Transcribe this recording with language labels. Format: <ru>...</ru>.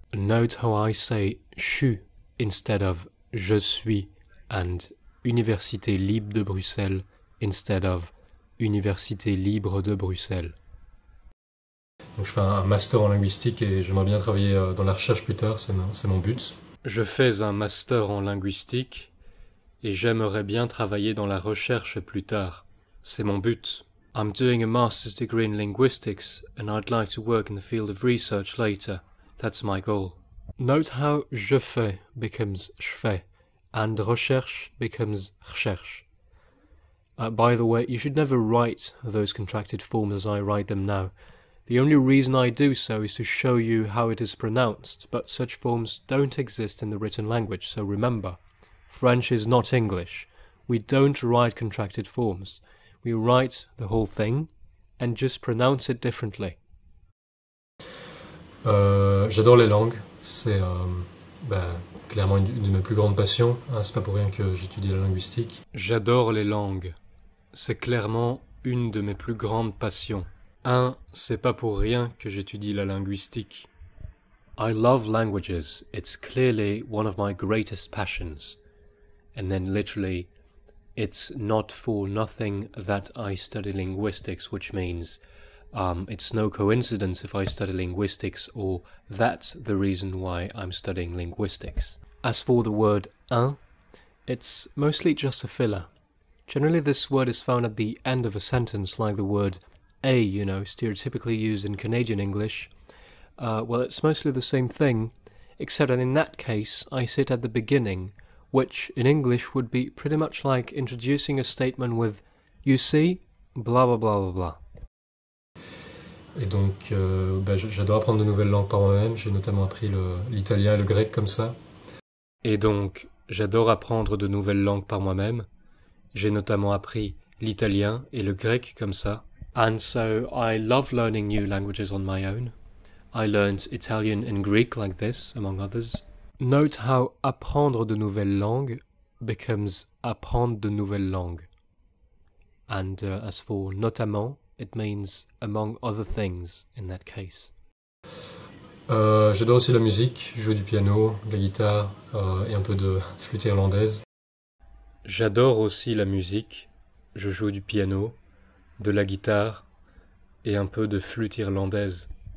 <en>Note how I say CHU instead of</en> <fr>je suis</fr> <en>and Université libre de Bruxelles instead of Université libre de Bruxelles.</en> <fr>Donc je fais un master en linguistique et j'aimerais bien travailler dans la recherche plus tard, c'est mon but. Je fais un master en linguistique. Et j'aimerais bien travailler dans la recherche plus tard. C'est mon but.</fr> <en>I'm doing a master's degree in linguistics, and I'd like to work in the field of research later. That's my goal. Note how</en> <fr>je fais</fr> <en>becomes je fais, and recherche becomes recherche. By the way, you should never write those contracted forms as I write them now. The only reason I do so is to show you how it is pronounced, but such forms don't exist in the written language, so remember. French is not English. We don't write contracted forms. We write the whole thing and just pronounce it differently.</en> <fr>J'adore les langues, c'est clairement une de mes plus grandes passions, hein, c'est pas pour rien que j'étudie la linguistique. J'adore les langues. C'est clairement une de mes plus grandes passions. C'est pas pour rien que j'étudie la linguistique.</fr> <en>I love languages. It's clearly one of my greatest passions. And then literally, it's not for nothing that I study linguistics, which means it's no coincidence if I study linguistics, or that's the reason why I'm studying linguistics. As for the word un, it's mostly just a filler. Generally, this word is found at the end of a sentence, like the word a, you know, stereotypically used in Canadian English. Well, it's mostly the same thing, except that in that case, I sit at the beginning. Which in English would be pretty much like introducing a statement with, you see? Bla bla</en> <fr>Et donc, j'adore apprendre de nouvelles langues par moi-même. J'ai notamment appris l'italien et le grec comme ça. Et donc, j'adore apprendre de nouvelles langues par moi-même. J'ai notamment appris l'italien et le grec comme ça.</fr> <en>And so I love learning new languages on my own. I learned Italian and Greek like this, among others. Note how</en> <fr>apprendre de nouvelles langues</fr> <en>becomes apprendre de nouvelles langues. And as for notamment, it means among other things in that case.</en> <fr>J'adore aussi la musique, je joue du piano, de la guitare et un peu de flûte irlandaise. J'adore aussi la musique, je joue du piano, de la guitare et un peu de flûte irlandaise.</fr>